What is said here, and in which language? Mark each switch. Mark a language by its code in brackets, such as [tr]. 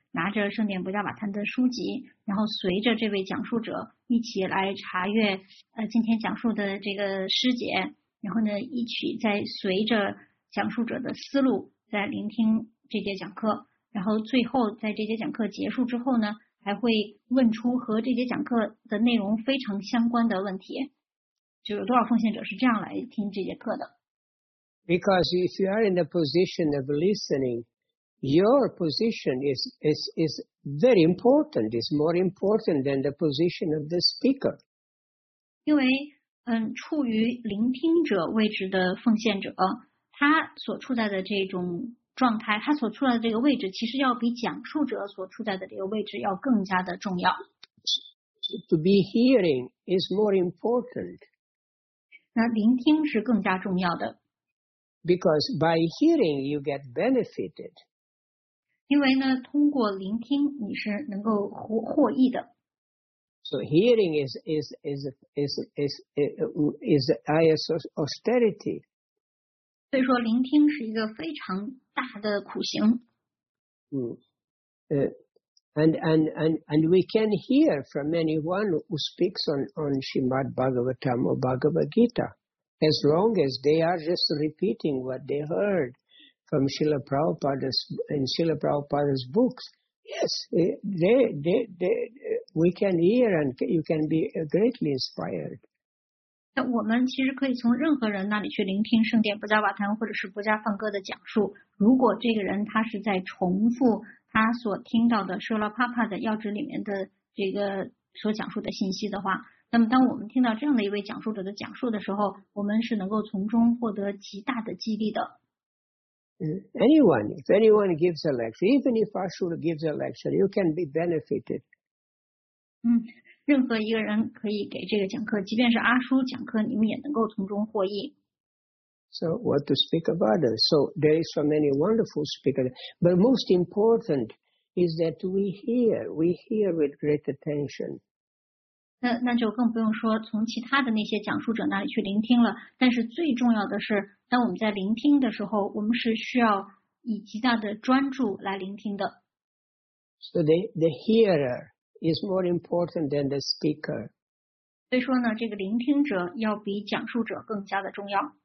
[zh] 拿着圣典博迦瓦坛的书籍，然后随着这位讲述者一起来查阅今天讲述的这个诗节，然后呢一起在随着讲述者的思路在聆听这节讲课，然后最后在这节讲课结束之后呢，还会问出和这节讲课的内容非常相关的问题，就有多少奉献者是这样来听这节课的。 [en] Because if you are in the position of listening, your position is very important. It's more important than the position of the speaker. [zh] 因为处于聆听者位置的奉献者，他所处在的这种状态，他所处在的这个位置，其实要比讲述者所处在的这个位置要更加的重要。 [en] To be hearing is more important. [zh] 那聆听是更加重要的。 [en] Because by hearing you get benefited. [zh] 因为呢，通过聆听你是能够获益的。 [en] So hearing is austerity. [zh] 所以说聆听是一个非常大的苦行。 [en] And we can hear from anyone who speaks on Srimad Bhagavatam or Bhagavad Gita, as long as they are just repeating what they heard from Srila Prabhupada's, in Srila Prabhupada's books. Yes, we can hear and you can be greatly inspired. [zh] 那我们其实可以从任何人那里去聆听圣殿布加瓦坦或者是布加梵歌的讲述。如果这个人他是在重复他所听到的舍拉帕帕的要旨里面的这个所讲述的信息的话，那么当我们听到这样的一位讲述者的讲述的时候，我们是能够从中获得极大的激励的。 [en] Anyone, if anyone gives a lecture, even if Ashura gives a lecture, you can be benefited. [zh] 任何一个人可以给这个讲课，即便是阿叔讲课，你们也能够从中获益。 [en] So what to speak about us? So there is so many wonderful speakers. But most important is that we hear with great attention. [zh] 那就更不用说从其他的那些讲述者那里去聆听了。但是最重要的是当我们在聆听的时候，我们是需要以极大的专注来聆听的。 [en] So the hearer is more important than the speaker. [zh] 所以说呢，这个聆听者要比讲述者更加的重要。